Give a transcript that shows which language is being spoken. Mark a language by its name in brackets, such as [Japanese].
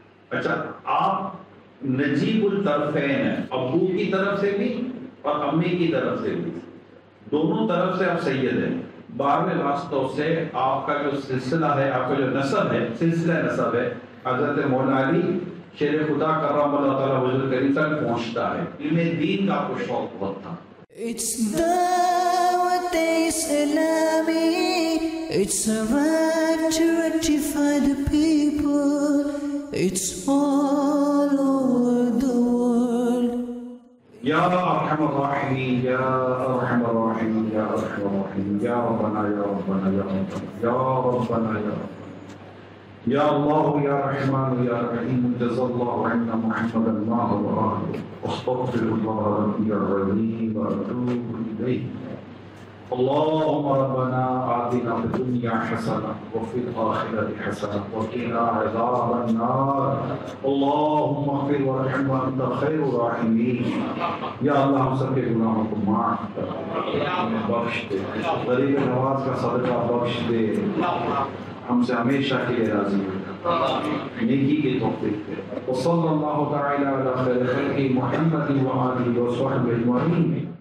[Urdu] اچھا, آپ نجیب الطرفین ہیں, ابو کی طرف سے بھی اور امی کی طرف سے بھی, دونوں طرف سے آپ سید ہیں. 12ویں واسطوں سے آپ کا جو سلسلہ ہے, آپ کا جو نسب ہے, سلسلہ نسب ہے حضرت مولا علی شیر خدا کرم اللہ تعالیٰ حضور کریم تک پہنچتا ہے. ان میں دین کا آپ کو شوق بہت تھا. [English] It's Dawat Islami, It's about to rectify the people, It's all over the world. [Arabic] یا ارحم الراحمین, یا ارحم الراحمین, یا ارحم الراحمین, یا ربنا یا ربنا یا ربنا یا ربنا یا ربنا یا اللہ یا رحمان یا رحیم, جزا اللہ عنا محمد ما هو راه, استغفر الله ربی العظیم واتوب الیه. اللهم ربنا آتنا في الدنيا حسنة وفي الآخرة حسنة وقنا عذاب النار. اللهم اغفر وارحم وأنت خير الراحمين. [Urdu] يا الله ہم سب کے گناہوں کو معاف بخش دے, غریب نواز کا صدقہ بخش دے, ہم سے ہمیشہ کے لیے راضی ہو, نیکی کے توفیق دے. [Arabic] وصلى الله تعالى على خير خلق محمد وآله وصحبه اجمعين.